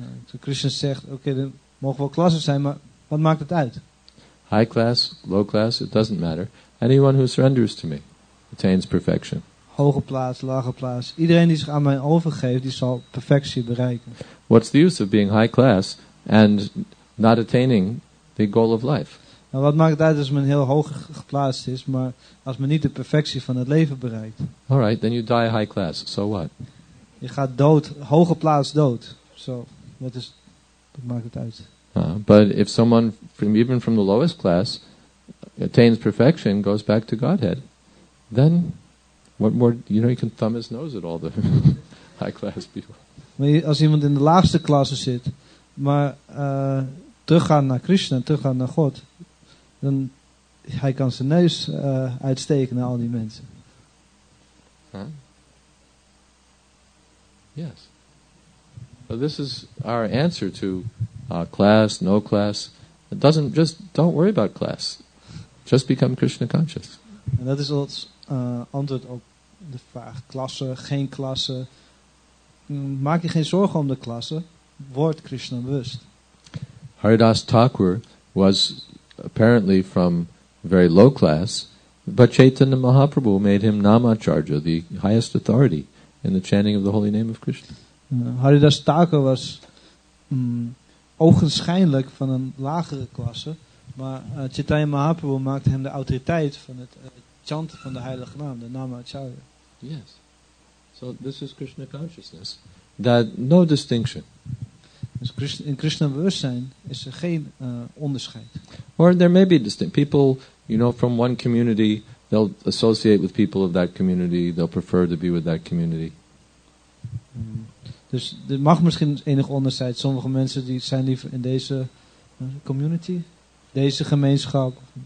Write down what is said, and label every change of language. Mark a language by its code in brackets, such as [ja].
[nl] So Krishna zegt, okay, er mogen wel klassen zijn, maar wat maakt het uit? [en] High class, low class, it doesn't matter. Anyone who surrenders to me attains perfection. [nl] Hoge plaats, lage plaats. Iedereen die zich aan mij overgeeft, die zal perfectie bereiken. [en] What's the use of being high class and not attaining the goal of life? [nl] Nou, wat maakt het uit als men heel hoog geplaatst is, maar als men niet de perfectie van het leven bereikt? [en] All right, then you die high class. So what? [nl] Je gaat dood, hoge plaats dood. So, wat maakt het uit? [en] But if someone from even from the lowest class attains perfection, goes back to Godhead, then what more? You know, he can thumb his nose at all the high class people. [nl] Maar als iemand in de laagste klasse zit, maar teruggaan naar Krishna, teruggaan naar God, dan hij kan zijn neus uitsteken naar al die mensen. Huh? [en] Yes. So this is our answer to class, no class. It doesn't just don't worry about class. Just become Krishna conscious. [nl] En dat is ons antwoord op de vraag: klasse, geen klasse. Maak je geen zorgen om de klasse. Word Krishna bewust. [en] Haridas Thakur was apparently from very low class, but Chaitanya Mahaprabhu made him Namacharya, the highest authority in the chanting of the holy name of Krishna. [nl] Haridas Thakur was ogenschijnlijk van een lagere klasse, maar Chaitanya Mahaprabhu maakte hem de autoriteit van het chanten van de heilige naam, de Namacharya. [en] Yes. So this is Krishna consciousness. That no distinction. [nl] In Krishna bewustzijn is er geen onderscheid. [en] Or there may be distinct people, you know, from one community, they'll associate with people of that community, they'll prefer to be with that community. [nl] Dus er mag misschien enig onderscheid. Sommige mensen die zijn liever in deze community, deze gemeenschap.